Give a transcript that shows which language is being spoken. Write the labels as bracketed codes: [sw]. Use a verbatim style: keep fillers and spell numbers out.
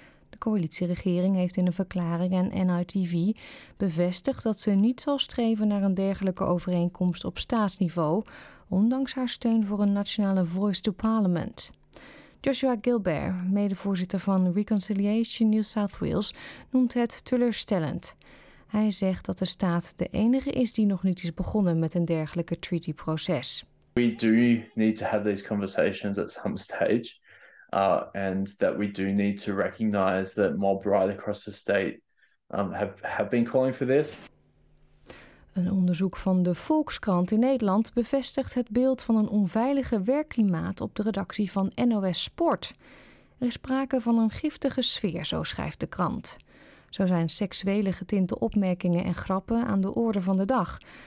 [nl] De coalitieregering heeft in een verklaring aan N I T V bevestigd dat ze niet zal streven naar een dergelijke overeenkomst op staatsniveau, ondanks haar steun voor een nationale voice to parliament. Joshua Gilbert, medevoorzitter van Reconciliation New South Wales, noemt het teleurstellend. Hij zegt dat de staat de enige is die nog niet is begonnen met een dergelijke treaty-proces. [en] We do need to have these conversations at some stage, uh, and that we do need to recognize that mob right across the state um, have have been calling for this. [nl] Een onderzoek van de Volkskrant in Nederland bevestigt het beeld van een onveilige werkklimaat op de redactie van N O S Sport. Er is sprake van een giftige sfeer, zo schrijft de krant. Zo zijn seksuele getinte opmerkingen en grappen aan de orde van de dag.